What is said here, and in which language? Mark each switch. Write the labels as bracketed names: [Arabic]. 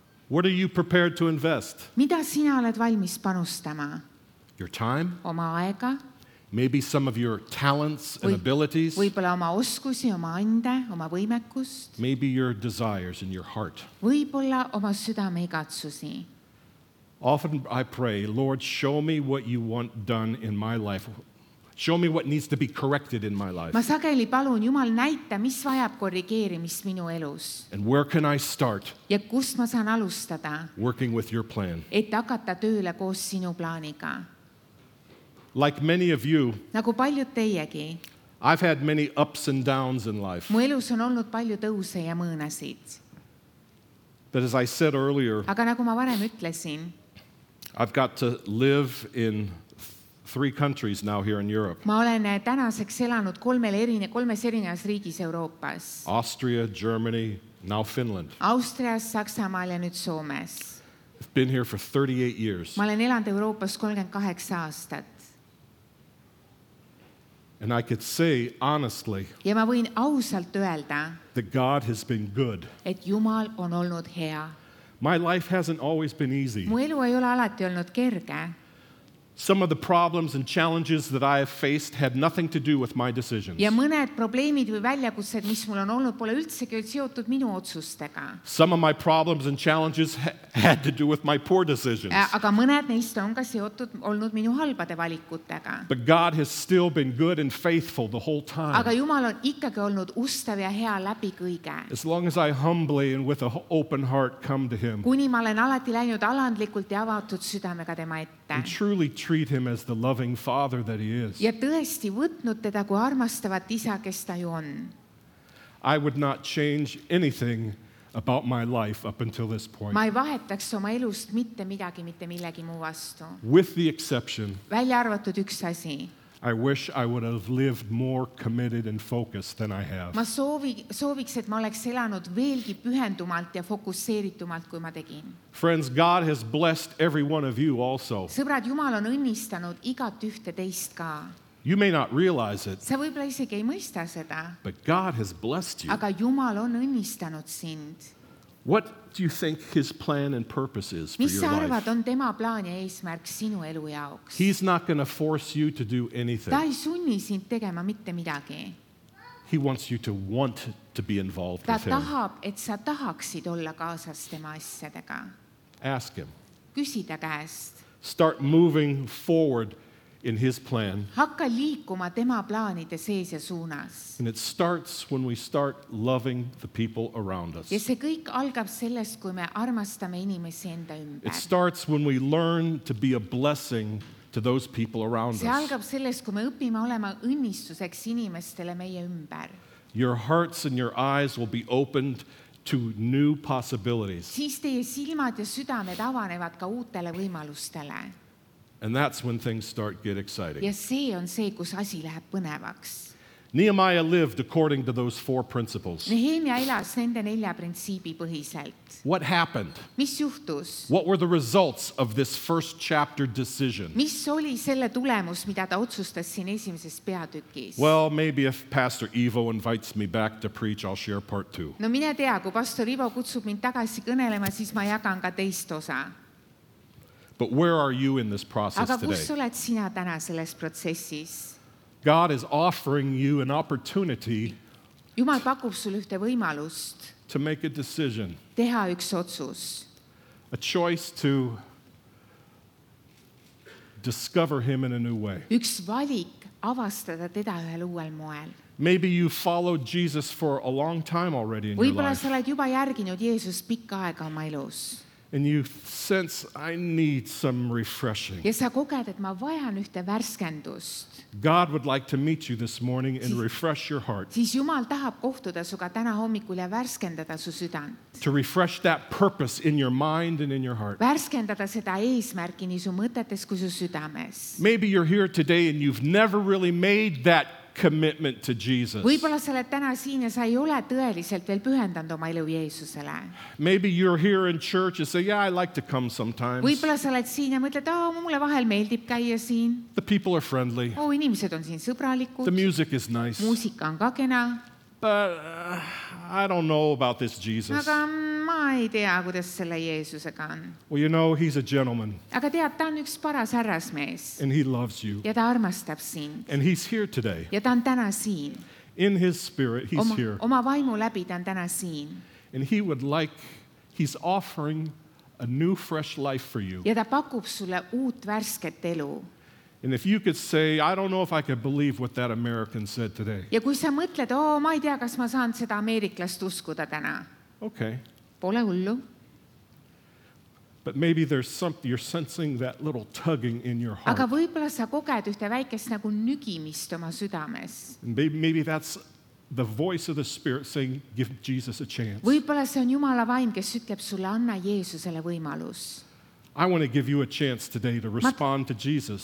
[English] What are you prepared to invest? [Estonian] Mida sina oled valmis panustama? [English] Your time? [Estonian] Oma aega? [English] Maybe some of your talents and abilities. [Estonian] Võib-olla oma oskusi, oma ande, oma võimekust. [English] Maybe your desires and your heart. [Estonian] Võib-olla oma südame igatsusi. [English] Often I pray, Lord, show me what you want done in my life. Show me what needs to be corrected in my life. [Estonian] Ma sageli palun, Jumal, näita, mis vajab korrigeerimist minu elus. [English] And where can I start? [Estonian] Ja kust ma saan alustada? [English] Working with your plan. [Estonian] Et hakata tööle koos sinu plaaniga. [English] Like many of you, [Estonian] nagu paljud teiegi, [English] I've had many ups and downs in life. [Estonian] Mu elus on olnud palju tõuse ja mõõnasid. [English] But as I said earlier, [Estonian] aga nagu ma varem ütlesin, [English] I've got to live in 3 countries now here in Europe. [Estonian] Ma olen tänaseks elanud kolmes erinevas riigis Euroopas. [English] Austria, Germany, now Finland. [Estonian] Austrias, Saksamaal ja nüüd Soomes. [English] I've been here for 38 years. [Estonian] Ma olen elanud Euroopas 38 aastat. [English] And I could say honestly [Estonian] ja ma võin ausalt öelda, [English] that God has been good. [Estonian] Et Jumal on olnud hea. [English] My life hasn't always been easy. [Estonian] Mu elu ei ole alati olnud kerge. [English] Some of the problems and challenges that I have faced had nothing to do with my decisions. [Estonian] Ja mõned probleemid või väljakutsed, mis mul on olnud, pole üldsegi seotud minu otsustega. [English] Some of my problems and challenges had to do with my poor decisions. [Estonian] Aga mõned neist on ka seotud olnud minu halbade valikutega. [English] But God has still been good and faithful the whole time. [Estonian] Aga Jumal on ikkagi olnud ustav ja hea läbi kõige. [English] As long as I humbly and with an open heart come to him. [Estonian] Kuni ma olen alati läinud alandlikult ja avatud südamega tema ette. [English] And truly treat him as the loving father that he is. [Estonian] Ja tõesti võtnud teda kui armastavat isa, kes ta ju on. [English] I would not change anything about my life up until this point. [Estonian] Ma ei vahetaks oma elust mitte midagi, mitte millegi muu vastu. [English] With the exception. [Estonian] Välja arvatud üks asi. [English] I wish I would have lived more committed and focused than I have. [Estonian] Ma sooviks, et ma oleks elanud veelgi pühendumalt ja fokusseeritumalt, kui ma tegin. [English] Friends, God has blessed every one of you also. [Estonian] Sõbrad, Jumal on õnnistanud igat ühte teist ka. [English] You may not realize it. [Estonian] Sa võib-olla isegi ei mõista seda. [English] But God has blessed you. [Estonian] Aga Jumal on õnnistanud sind. [English] What do you think his plan and purpose is for [Estonian] Mis [English] your [Estonian] arvad, [English] life? [Estonian] On tema plaan ja eesmärk sinu elu jaoks? [English] He's not going to force you to do anything. [Estonian] Ta ei sunni sind tegema mitte midagi. [English] He wants you to want to be involved [Estonian] Ta [English] with him. [Estonian] Ta tahab, et sa tahaksid olla kaasas tema asjadega. [English] Ask him. [Estonian] Küsida käest. [English] Start moving forward in his plan. [Estonian] Hakka liikuma tema plaanide sees ja suunas. [English] And it starts when we start loving the people around us. [Estonian] Ja see kõik algab sellest, kui me armastame inimesi enda ümber. [English] It starts when we learn to be a blessing to those people around us. [Estonian] See algab sellest, kui me õpime olema õnnistuseks inimestele meie ümber. [English] Your hearts and your eyes will be opened to new possibilities. [Estonian] Siis teie silmad ja südamed avanevad ka uutele võimalustele. [English] And that's when things start get exciting. [Estonian] Ja see on see, kus asi läheb põnevaks. [English] Nehemiah lived according to those four principles. [Estonian] Nehemia elas nende nelja printsiibi põhiselt. [English] What happened? [Estonian] Mis juhtus? [English] What were the results of this first chapter decision? [Estonian] Mis oli selle tulemus, mida ta otsustas siin esimeses peatükis? [English] Well, maybe if Pastor Ivo invites me back to preach, I'll share part two. [Estonian] No mine tea, kui Pastor Ivo kutsub mind tagasi kõnelema, siis ma jagan ka teist osa. [English] But where are you in this process [Estonian] Aga kus [English] today? [Estonian] Oled sina täna selles protsessis? [English] God is offering you an opportunity [Estonian] Jumal pakub sul ühte võimalust [English] to make a decision. [Estonian] Teha üks otsus. [English] A choice to discover him in a new way. [Estonian] Üks valik avastada teda ühel uuel moel. [English] Maybe you followed Jesus for a long time already in your life. [Estonian] Võibolla sa oled juba järginud Jeesus pikka aega oma elus. [English] And you sense I need some refreshing. [Estonian] Ja sa koged, et ma vajan ühte värskendust. [English] God would like to meet you this morning and refresh your heart. [Estonian] Siis Jumal tahab kohtuda suga täna hommikul ja värskendada su südant. [English] To refresh that purpose in your mind and in your heart. [Estonian] Värskendada seda eesmärki nii su mõtetes kui su südames. [English] Maybe you're here today and you've never really made that commitment to Jesus. [Estonian] Võibolla sa oled täna siin ja sa ei ole tõeliselt veel pühendanud oma elu Jeesusele. [English] Maybe you're here in church and say, yeah, I like to come sometimes. [Estonian] Võibolla sa oled siin ja mõtled, oh, mulle vahel meeldib käia siin. [English] The people are friendly. [Estonian] Oh, inimesed on siin sõbralikud. [English] The music is nice. [Estonian] Muusika on ka kena. [English] But I don't know about this Jesus. [Estonian] Aga ma ei tea, kuidas selle Jeesusega on. [English] Well, you know, he's a gentleman. [Estonian] Aga tead, ta on üks paras härrasmees. [English] And he loves you. [Estonian] Ja ta armastab sind. [English] And he's here today. [Estonian] Ja ta on täna siin. [English] In his spirit, he's here. [Estonian] Oma vaimu läbi ta on täna siin. [English] And he would like, he's offering a new fresh life for you. [Estonian] Ja ta pakub sulle uut värsket elu. [English] And if you could say, I don't know if I could believe what that American said today. [Estonian] Ja kui sa mõtled, oh, ma ei tea, kas ma saan seda ameeriklast uskuda täna. [English] Okay. [Estonian] Pole hullu. [English] But maybe there's something, you're sensing that little tugging in your heart. [Estonian] Aga võibolla sa koged ühte väikest nagu nügimist oma südames. [English] Maybe that's the voice of the Spirit saying, give Jesus a chance. [Estonian] Võibolla see on Jumala vaim, kes ütleb sulle, anna Jeesusele võimalus. [English] I want to give you a chance today to respond to Jesus.